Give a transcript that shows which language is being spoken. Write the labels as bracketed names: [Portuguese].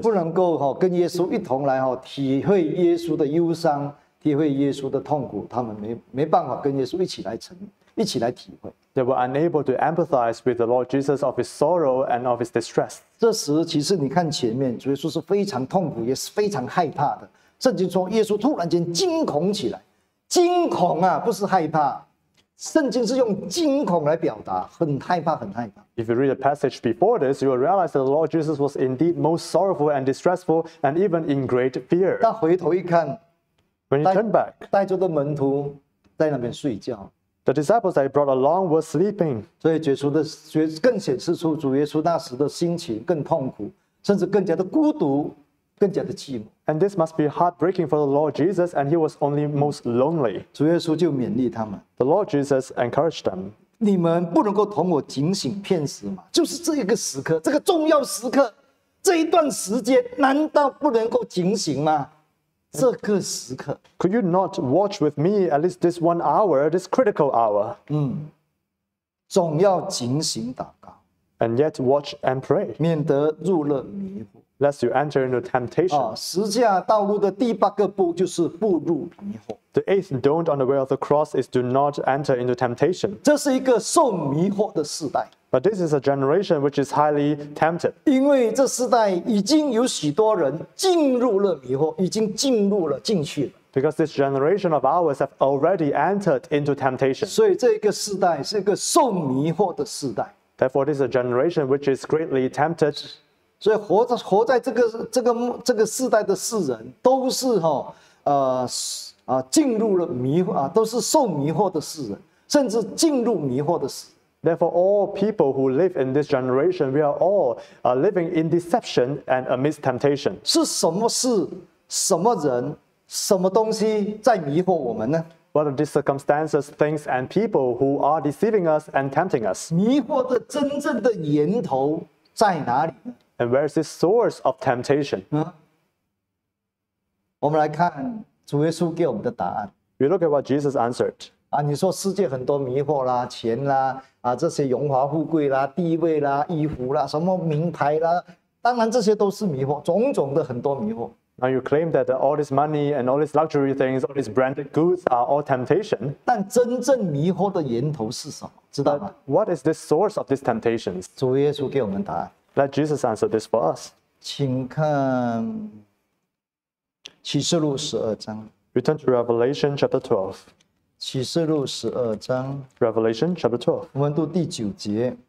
[Chinese] 不能够哈跟耶稣一同来哈体会耶稣的忧伤，体会耶稣的痛苦。他们没办法跟耶稣一起来体会。 [English] They were unable to empathize with the Lord Jesus of his sorrow and of his distress. [Chinese] 这时，其实你看前面，主耶稣是非常痛苦，也是非常害怕的。圣经说，耶稣突然间惊恐起来，惊恐啊，不是害怕。圣经是用惊恐来表达，很害怕，很害怕。 [English] If you read the passage before this, you will realize that the Lord Jesus was indeed most sorrowful and distressful, and even in great fear. [Chinese] 但回头一看 [English] ，When you turn back, [Chinese] 带着的门徒在那边睡觉。 [English] The disciples that he brought along were sleeping. [Chinese] 所以主耶稣更显示出主耶稣那时的心情更痛苦，甚至更加的孤独。更加的寂寞。 [English] And this must be heartbreaking for the Lord Jesus, and he was only most lonely. [Chinese] 主耶稣就勉励他们。 [English] The Lord Jesus encouraged them. [Chinese] 你们不能够同我警醒片时吗？就是这一个时刻，这个重要时刻，这一段时间，难道不能够警醒吗？这个时刻。 [English] Could you not watch with me at least this 1 hour, this critical hour? [Chinese] 总要警醒祷告。 [English] And yet watch and pray. [Chinese] 免得入了迷惑。 [English] Lest you enter into temptation. [Chinese] 十字架道路的第八个步就是不入迷惑。 [English] The eighth don't on the way of the cross is do not enter into temptation. [Chinese] 这是一个受迷惑的世代。 [English] But this is a generation which is highly tempted. [Chinese] 因为这世代已经有许多人进入了迷惑，已经进入了进去了。 [English] Because this generation of ours have already entered into temptation. [Chinese] 所以这个世代是一个受迷惑的世代。 [English] Therefore, this is a generation which is greatly tempted. [Chinese] 所以活在这个世代的世人，都是哈、哦、进入了迷惑啊，都是受迷惑的世人，甚至进入迷惑的世人。 [English] Therefore, all people who live in this generation, we are all living in deception and amidst temptation. [Chinese] 是什么事、什么人、什么东西在迷惑我们呢？ [English] What are the circumstances, things, and people who are deceiving us and tempting us? [Chinese] 迷惑的真正的源头在哪里？ [English] And where is this source of temptation? [Chinese] 我们来看主耶稣给我们的答案。 [English] We look at what Jesus answered. [Chinese] 你说世界很多迷惑啦，钱啦，这些荣华富贵啦，地位啦，衣服啦，什么名牌啦，当然这些都是迷惑，种种的很多迷惑。 [English] Now you claim that all this money and all these luxury things, all these branded goods are all temptation. [Chinese] 但真正迷惑的源头是什么？知道吗 [English] ？What is the source of these temptations? [Chinese] 主耶稣给我们答案。 [English] Let Jesus answer this for us. [Chinese] 请看启示录十二章。 [English] Return to Revelation chapter 12. [Chinese] 启示录十二章 [English] Revelation chapter 12. [Chinese] 我们读第九节。